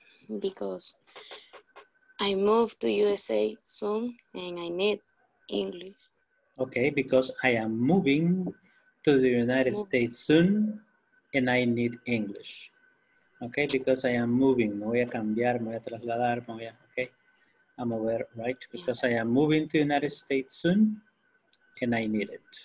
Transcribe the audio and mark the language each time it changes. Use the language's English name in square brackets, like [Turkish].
[English] Because I moved to USA soon and I need English. Okay, because I am moving to the United States soon and I need English. Okay, because I am moving. [Spanish] Me voy a cambiar, me voy a trasladar, me voy a, okay. [English] I'm aware, right? Because I am moving to the United States soon and I need it.